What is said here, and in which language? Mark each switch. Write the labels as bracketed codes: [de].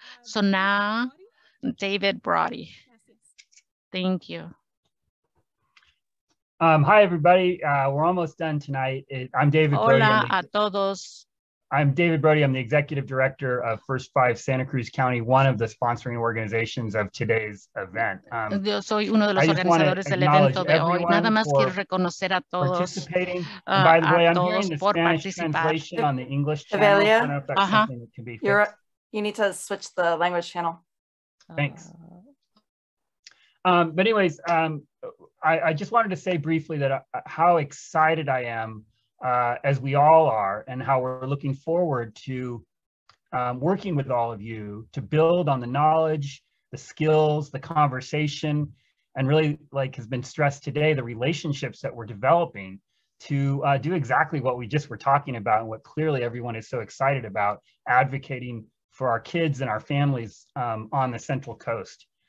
[en] So now, David Brody. Thank you. Hi, everybody. We're almost done tonight. I'm David [es] Brody. Hola a todos. [en] I'm David Brody. I'm the executive director of First Five Santa Cruz County, one of the sponsoring organizations of today's event. [es] Yo soy uno de los organizadores del evento de hoy. Nada más quiero reconocer a todos. [en] By the way, I'm hearing the Spanish translation on the English channel. Avelia, you need to switch the language channel. Thanks. I just wanted to say briefly that how excited I am, as we all are, and how we're looking forward to working with all of you to build on the knowledge, the skills, the conversation, and really, like has been stressed today, the relationships that we're developing to do exactly what we just were talking about and what clearly everyone is so excited about, advocating for our kids and our families on the Central Coast.